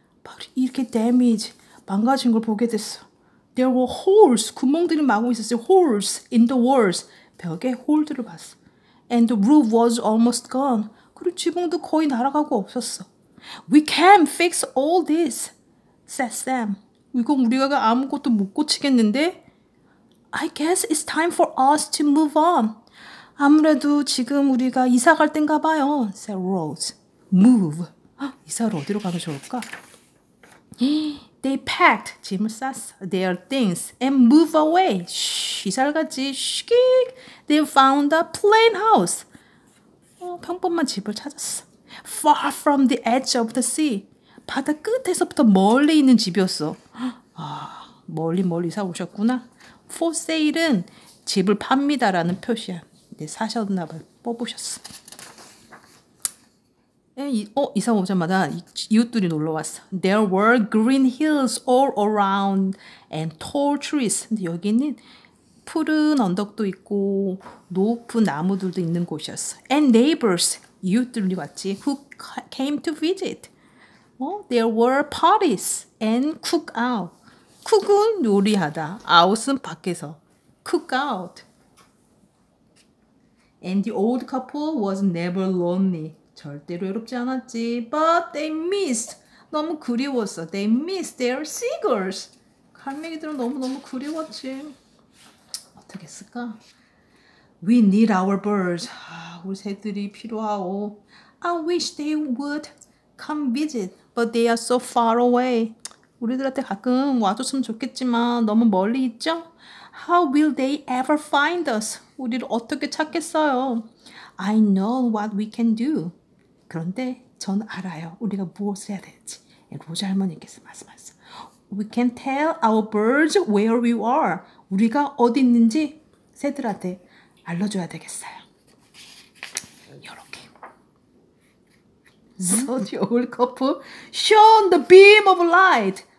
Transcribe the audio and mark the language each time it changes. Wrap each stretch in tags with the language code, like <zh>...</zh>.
<ko>바로 이렇게 damage, 망가진 걸 보게 됐어.</ko> <en>There were holes,</en> <ko>구멍들이 마구 있었어요.</ko> <en>Holes in the walls,</en> <ko>벽에 홀들을 봤어.</ko> <en>And the roof was almost gone.</en> <ko>그리고 지붕도 거의 날아가고 없었어.</ko> <en>We can fix all this, said Sam.</en> <ko>이건 우리가 아무것도 못 고치겠는데?</ko> <en>I guess it's time for us to move on.</en> <ko>아무래도 지금 우리가 이사 갈 땐가 봐요,</ko> <en>said Rose.</en> <ko>Move. 이사를 어디로 가면 좋을까?</ko> <en>They packed,</en> <ko>짐을 쌌어,</ko> <en>their things, and moved away. 쉬,</en> <ko>이사를 갔지.</ko> <en>They found a plain house.</en> <ko>평범한 집을 찾았어.</ko> <en>Far from the edge of the sea.</en> <ko>바다 끝에서부터 멀리 있는 집이었어. 아, 멀리 멀리 이사 오셨구나. For sale은 집을 팝니다라는 표시야. 사셨나 봐요. 뽑으셨어. 이사 오자마자 이웃들이 놀러 왔어.</ko> <en>There were green hills all around and tall trees.</en> <ko>근데 여기는 푸른 언덕도 있고 높은 나무들도 있는 곳이었어.</ko> <en>And neighbors,</en> <ko>이웃들이 왔지.</ko> <en>Who came to visit? There were parties and cook out.</en> <ko>Cook은 요리하다.</ko> <en>Out은</en> <ko>밖에서.</ko> <en>Cook out. And the old couple was never lonely.</en> <ko>절대로 외롭지 않았지.</ko> <en>But they missed.</en> <ko>너무 그리웠어.</ko> <en>They missed their seagulls.</en> <ko>갈매기들은 너무너무 그리웠지. 어떻게 했을까?</ko> <en>We need our birds.</en> <ko>아, 우리 새들이 필요하오.</ko> <en>I wish they would come visit. But they are so far away.</en> <ko>우리들한테 가끔 와줬으면 좋겠지만 너무 멀리 있죠?</ko> <en>How will they ever find us?</en> <ko>우리를 어떻게 찾겠어요?</ko> <en>I know what we can do.</en> <ko>그런데 전 알아요. 우리가 무엇을 해야 될지. 로즈 할머니께서 말씀하셨어.</ko> <en>We can tell our birds where we are.</en> <ko>우리가 어디 있는지 새들한테 알려줘야 되겠어요. 이렇게.</ko> <en>So the old couple shone the beam of light.</en>